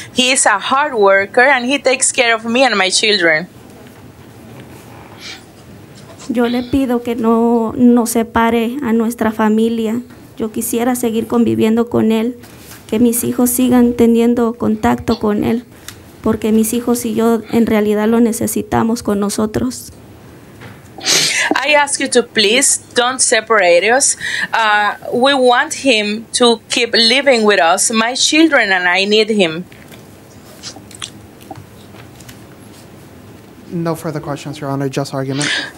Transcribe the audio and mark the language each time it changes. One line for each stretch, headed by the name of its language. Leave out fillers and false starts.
English: He is a hard worker and he takes care of me and my children.
Spanish: Yo le pido que no separe a nuestra familia. Yo quisiera seguir conviviendo con él, que mis hijos sigan teniendo contacto con él, porque mis hijos y yo en realidad lo necesitamos con nosotros.
English: I ask you to please don't separate us. We want him to keep living with us. My children and I need him. No further questions, Your Honor, just argument.